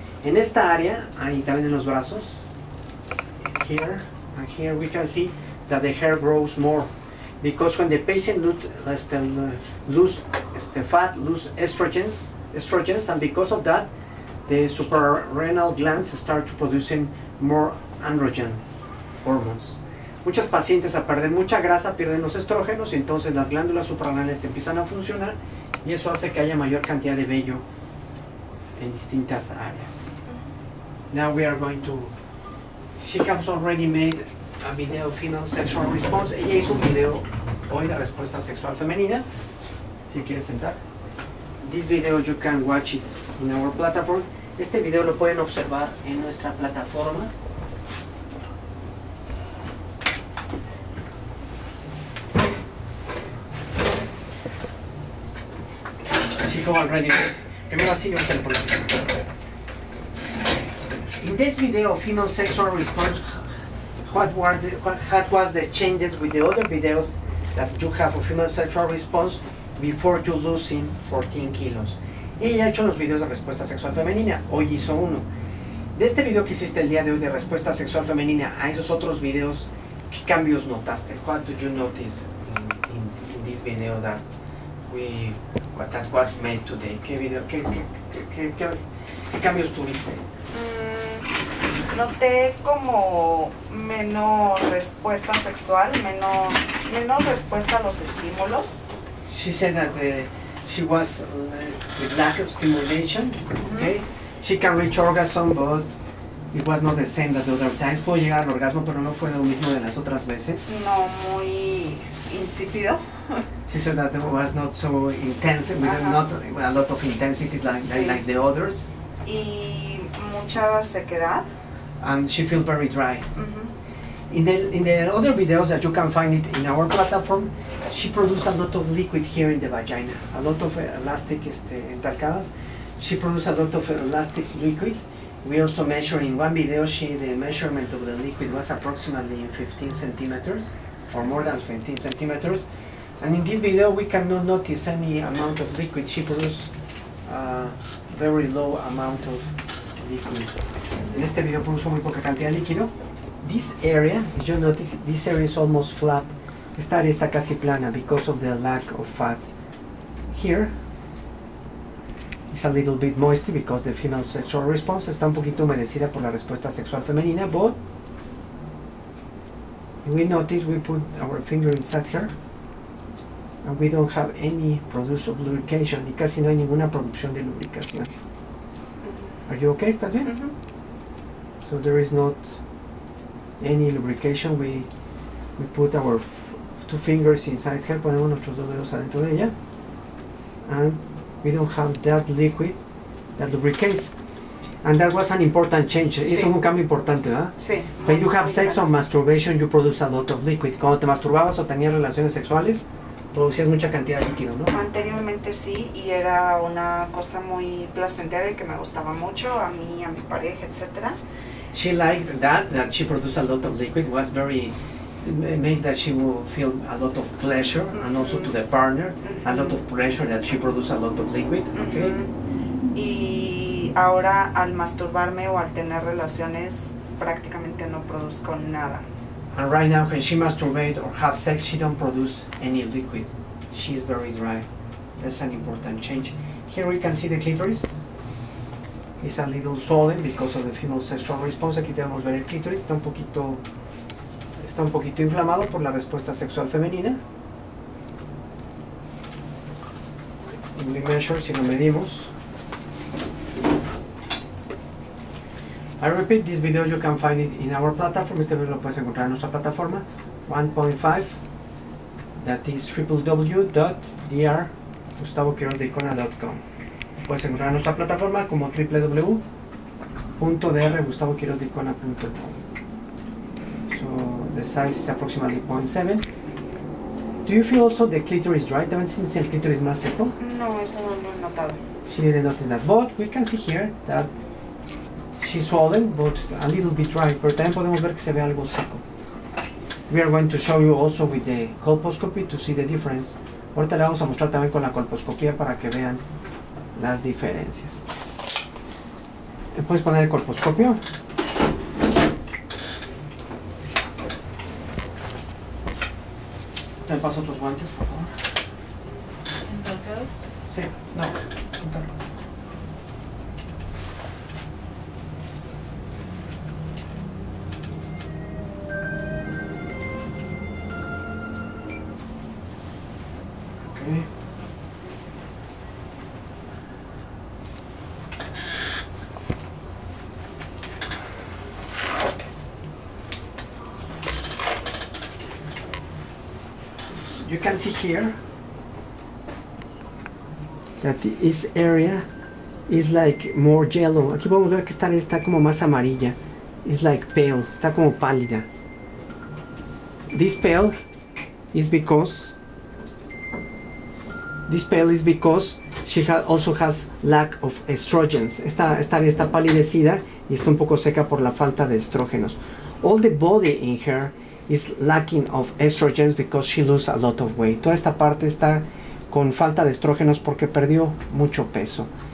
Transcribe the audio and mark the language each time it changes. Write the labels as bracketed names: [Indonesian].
[Spanish] En esta área, ahí también en los brazos. [English] Here, and here we can see that the hair grows more, because when the patient lose estrogens, and because of that, the suprarrenal glands start producing more androgen hormones. [Spanish] Muchas pacientes, a perder mucha grasa, pierden los estrógenos, y entonces las glándulas suprarrenales empiezan a funcionar, y eso hace que haya mayor cantidad de vello en distintas áreas. [English] Now we are going to, she has already made a video female sexual response. [Spanish] Ella hizo un video hoy de respuesta sexual femenina. Si quieres sentar. [English] This video you can watch it in our platform. [Spanish] Este video lo pueden observar en nuestra plataforma. Sí, como already. Primero así, yo quiero ponerlo. [English] In this video, female sexual response, what was the changes with the other videos that you have of female sexual response before you losing 14 kilos? [Spanish] Ella ha hecho los videos de respuesta sexual femenina, hoy hizo uno. De este video que hiciste el día de hoy de respuesta sexual femenina a esos otros videos, ¿qué cambios notaste? [English] What did you notice in this video that that was made today? [Spanish] ¿Qué video? ¿Qué cambios tuviste? Noté como menos respuesta sexual, menos respuesta a los estímulos. [English] She said that she was with lack of stimulation. Mm-hmm. Okay, she can reach orgasm, but it was not the same that the other times. [Spanish] Pudo llegar al orgasmo, pero no fue lo mismo de las otras veces. No, muy insípido. [English] She said that it was not so intense, with not a lot of intensity like the others. [Spanish] Y mucha sequedad. [English] And she feels very dry. Mm-hmm. In the other videos that you can find it in our platform, she produces a lot of liquid here in the vagina, a lot of elastic entalcadas. She produces a lot of elastic liquid. We also measure in one video, the measurement of the liquid was approximately 15 centimeters, or more than 15 centimeters. And in this video, we cannot notice any amount of liquid. She produces a very low amount of liquid. [Spanish] En este video produjo muy poca cantidad de líquido. [English] This area, you notice, this area is almost flat. [Spanish] Esta área está casi plana [English] because of the lack of fat. Here, it's a little bit moist because the female sexual response [Spanish] está un poquito humedecida por la respuesta sexual femenina, [English] but we notice we put our finger inside here and we don't have any produce of lubrication. [Spanish] Y casi no hay ninguna producción de lubricación. [English] Are you okay? [Spanish] ¿Estás bien? [English] Mm-hmm. So there is not any lubrication. We put our two fingers inside here, [Spanish] ponemos nuestros dos dedos adentro de ella, [English] and we don't have that liquid that lubricates. And that was an important change. [Spanish] Sí. Eso fue un cambio importante, ¿verdad? Sí. [English] When you have sex on masturbation, you produce a lot of liquid. [Spanish] Cuando te masturbabas o tenías relaciones sexuales, producías mucha cantidad de líquido, ¿no? Anteriormente sí, y era una cosa muy placentera y que me gustaba mucho a mí, a mi pareja, etcétera. [English] She liked that she produced a lot of liquid. It was very, made that she would feel a lot of pleasure, mm-hmm. and also to the partner, mm-hmm. a lot of pressure that she produced a lot of liquid, okay? [Spanish] Mm-hmm. Y ahora al masturbarme o al tener relaciones, prácticamente no produzco nada. [English] And right now when she masturbate or have sex, she don't produce any liquid. She is very dry. That's an important change. Here we can see the clitoris. It's a little swollen because of the female sexual response. [Spanish] Aquí tenemos ver el clítoris, está un poquito inflamado por la respuesta sexual femenina. [English] In the measure, [Spanish] si lo medimos. [English] I repeat, this video you can find it in our platform. [Spanish] Este video lo puedes encontrar en nuestra plataforma. 1.5, [English] that is [Spanish] www.drgustavoquiroz.com. Puedes encontrar nuestra plataforma como www.drgustavoquirozdicona.com. [English] So, the size is approximately 0.7. Do you feel also the clitoris dry? [Spanish] ¿También sientes el clitoris más seco? No, eso no lo he notado. [English] She didn't notice that. But we can see here that she's swollen, but a little bit dry. [Spanish] Pero también podemos ver que se ve algo seco. [English] We are going to show you also with the colposcopy to see the difference. [Spanish] Ahorita le vamos a mostrar también con la colposcopía para que vean las diferencias. ¿Te puedes poner el colposcopio? ¿Te paso tus guantes, por favor? ¿Entalcados? Sí, no. [English] You can see here that this area is like more yellow. [Spanish] Aquí podemos ver que está como más amarilla. [English] It's like pale, [Spanish] está como pálida. [English] This pale is because she also has lack of estrogens. [Spanish] Está palidecida y está un poco seca por la falta de estrógenos. [English] All the body in her is lacking of estrogens because she lose a lot of weight. [Spanish] Toda esta parte está con falta de estrógenos porque perdió mucho peso.